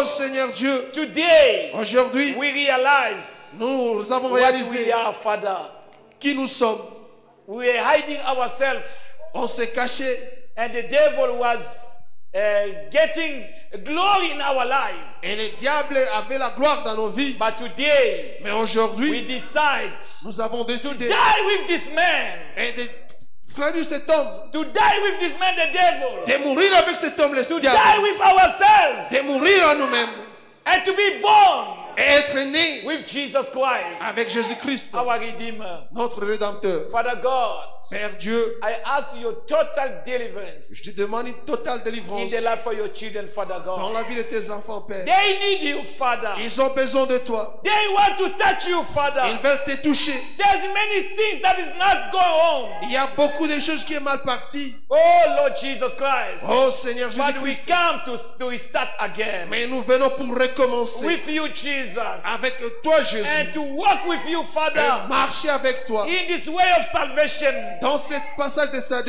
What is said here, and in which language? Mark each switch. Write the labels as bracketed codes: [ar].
[fr] Oh Seigneur Dieu. [en] Today. [fr] Aujourd'hui. [en] We realize. [fr] Nous avons réalisé. [en] What we are, Father. [fr] Qui nous sommes. [en] We are hiding ourselves. [fr] On s'est caché. [en] And the devil was getting glory in our life. [fr] Et le diable avait la gloire dans nos vies. [en] But today, [fr] mais aujourd'hui, [en] we decide, [fr] nous avons décidé, [en] to die with this man. [fr] Et de traduire cet homme, [en] to die with this man, the devil. [fr] De mourir avec cet homme, le [en] to [fr] diable. [en] To die with ourselves. [fr] De mourir à nous-mêmes. [en] And to be born. [fr] Et être né [en] with Jesus Christ, [fr] avec Jésus-Christ, [en] our Redeemer, [fr] notre Rédempteur. [en] Father God, [fr] Père Dieu, [en] I ask your total deliverance, [fr] je te demande une totale délivrance [en] in the life of your children, Father God. [fr] Dans la vie de tes enfants, Père. [en] They need you, Father. [fr] Ils ont besoin de toi. [en] They want to touch you, Father. [fr] Ils veulent te toucher. [en] There's many things that is not going on. [fr] Il y a beaucoup de choses qui sont mal parties. [en] Oh, Lord Jesus Christ. [fr] Oh, Seigneur Jésus-Christ. [en] But we come to start again. [fr] Mais nous venons pour recommencer. [en] With you, Jesus. [fr] Avec toi, Jésus. [en] And to walk with you, Father, [fr] et marcher avec toi. [en] In this way of salvation. [fr] Dans ce passage de salut.